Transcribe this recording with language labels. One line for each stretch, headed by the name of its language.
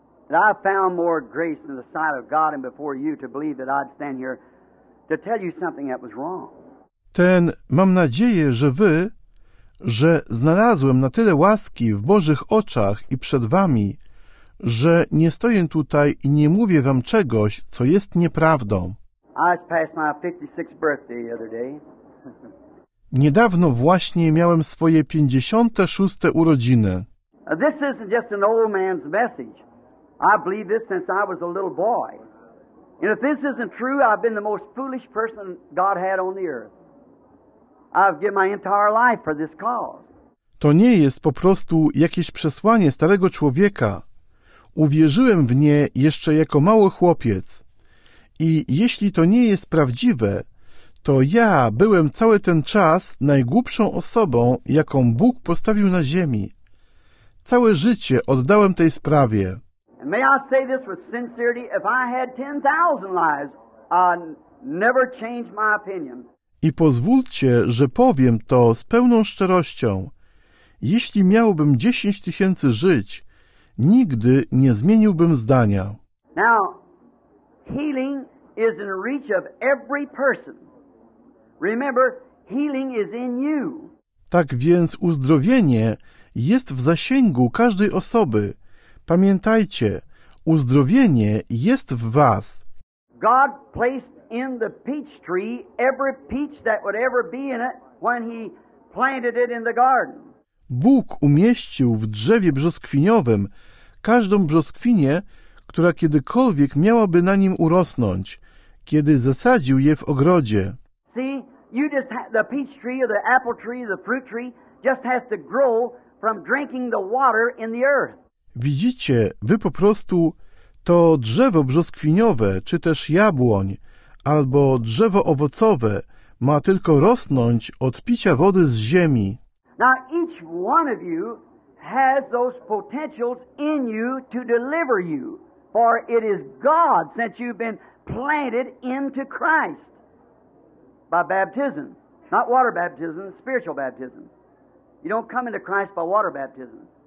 English: That I found more grace in the sight of God and before you to believe that I'd stand here to tell you something that was wrong.
Polish: Ten, mam nadzieję, że wy, że znalazłem na tyle łaski w Bożych oczach i przed wami, że nie stoję tutaj i nie mówię wam czegoś, co jest nieprawdą.
English: I just passed my 56th birthday the other day.
Polish: Niedawno właśnie miałem swoje 56. urodziny.
English: This isn't just an old man's message. I believe this since I was a little boy. And if this isn't true, I've been the most foolish person God had on the earth. I've given my entire life for this cause.
Polish: To nie jest po prostu jakieś przesłanie starego człowieka. Uwierzyłem w nie jeszcze jako mały chłopiec. I jeśli to nie jest prawdziwe, to ja byłem cały ten czas najgłupszą osobą, jaką Bóg postawił na ziemi. Całe życie oddałem tej sprawie.
English: And may I say this with sincerity, if I had 10,000 lives, I'd never change my opinion.
Polish: I pozwólcie, że powiem to z pełną szczerością. Jeśli miałbym 10,000 żyć, nigdy nie zmieniłbym zdania.
English: Now, healing is in reach of every person. Remember, healing is in you.
Polish: Tak więc uzdrowienie jest w zasięgu każdej osoby. Pamiętajcie, uzdrowienie jest w was.
English: God placed in the peach tree every peach that would ever be in it when he planted it in the garden.
Polish: Bóg umieścił w drzewie brzoskwiniowym każdą brzoskwinię, która kiedykolwiek miałaby na nim urosnąć, kiedy zasadził je w ogrodzie.
English: See, you just the peach tree or the apple tree, the fruit tree just has to grow from drinking the water in the earth.
Polish: Widzicie, wy po prostu to drzewo brzoskwiniowe, czy też jabłoń, albo drzewo owocowe ma tylko rosnąć od picia wody z ziemi.
English: Now each one of you has those potentials in you to deliver you, for it is God since you've been planted into Christ by baptism, not water baptism, spiritual baptism. You don't come into Christ by water baptism.